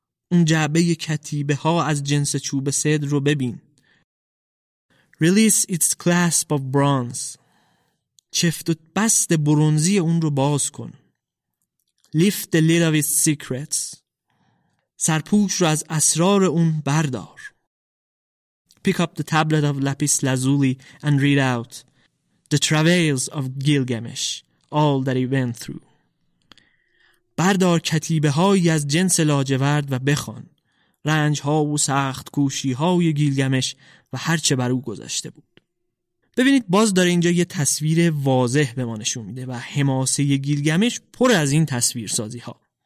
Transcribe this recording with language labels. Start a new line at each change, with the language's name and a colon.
Persian: اون جعبه کتیبه ها از جنس چوب سدر رو ببین.
English: Release its clasp of bronze.
Persian: چفت و بست برونزی اون رو باز کن.
English: Lift the lid of its secrets.
Persian: سرپوش رو از اسرار اون بردار.
English: Pick up the tablet of lapis lazuli and read out The travails of Gilgamesh, all that he went through.
Persian: بردار کتیبه هایی از جنس لاجورد و بخوان رنج ها و سخت کوشی های گیلگمش و هرچه بر او گذشته بود. ببینید باز داره اینجا یه تصویر واضح به ما نشون میده و حماسه گیلگمش پر از این تصویر سازی ها.